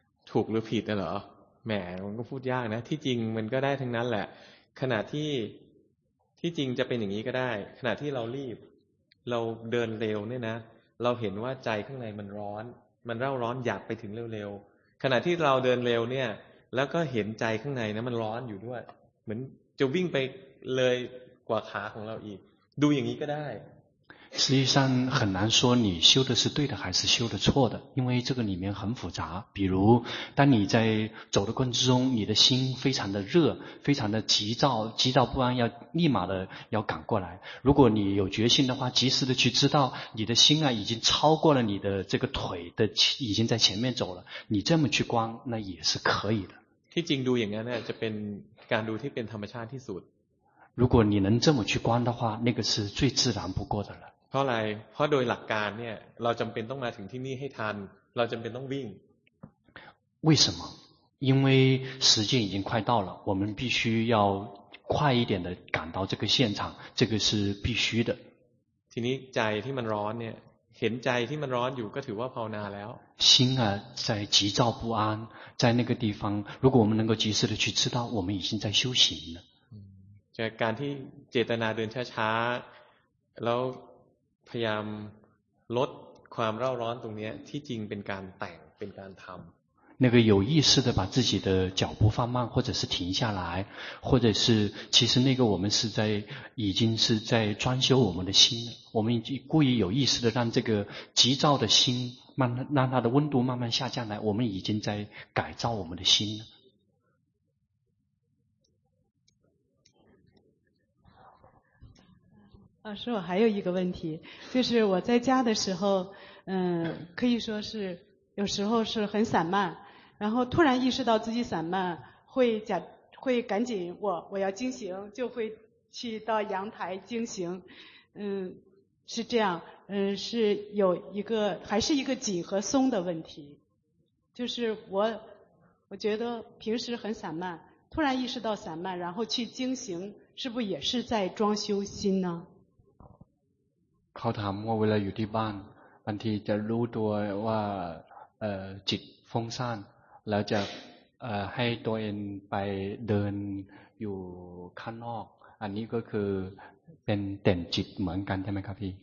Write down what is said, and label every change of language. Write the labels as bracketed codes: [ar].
[th] ถูกหรือผิดนะเหรอแหมมันก็พูดยากนะที่จริงมันก็ได้ทั้งนั้นแหละขณะที่จริงจะเป็นอย่างนี้ก็ได้ขณะที่เรารีบเราเดินเร็วเนี่ยนะเราเห็นว่าใจข้างในมันร้อนมันเร่าร้อนอยากไปถึงเร็วๆขณะที่เราเดินเร็วเนี่ยแล้วก็เห็นใจข้างในนะมันร้อนอยู่ด้วยเหมือนจะวิ่งไปเลยกว่าขาของเราอีกดูอย่างนี้ก็ได้ [zh] 实际上很难说你修的是对的还是修的错的，因为这个里面很复杂。比如当你在走的过程之中，你的心非常的热，非常的急躁，急躁不安，要立马的要赶过来。如果你有决心的话，及时的去知道你的心啊已经超过了你的这个腿的，已经在前面走了，你这么去观那也是可以的。 [th] ที่จริงดูอย่างนั้นเนี่ยจะเป็นการดูที่เป็นธรรมชาติที่สุด。 [zh] 如果你能这么去观的话，那个是最自然不过的了。 [th] เพราะอะไรเพราะโดยหลักการเนี่ยเราจำเป็นต้องมาถึงที่นี่ให้ทันเราจำเป็นต้องวิ่ง [zh] 为什么因为时间已经快到了我们必须要快一点的赶到这个现场这个是必须的 [th] ทีนี้ใจที่มันร้อนเนี่ยเห็นใจที่มันร้อนอยู่ก็ถือว่าภาวนาแล้ว [zh] 心啊在急躁不安在那个地方如果我们能够及时的去知道我们已经在修行了 [th] จากการที่เจตนาเดินช้าๆแล้วพยายามลดความเร่าร้อนตรงนี้ที่จริงเป็นการแต่งเป็นการทำ [zh] 那个有意识的把自己的脚步放慢或者是停下来或者是其实那个我们是在已经是在装修我们的心我们故意有意识的让这个急躁的心慢让它的温度慢慢下降来我们已经在改造我们的心了老师，我还有一个问题，就是我在家的时候，可以说是有时候是很散漫，然后突然意识到自己散漫，会赶紧我要惊醒，就会去到阳台惊醒，是这样，是有一个还是一个紧和松的问题，就是我觉得平时很散漫，突然意识到散漫，然后去惊醒，是不是也是在装修心呢？ [th] เขาถามว่าเวลาอยู่ที่บ้านบางทีจะรู้ตัวว่าจิตฟุ้งซ่านแล้วจะให้ตัวเองไปเดินอยู่ข้างนอกอันนี้ก็คือเป็นเต็มจิตเหมือนกันใช่ไหมครับพี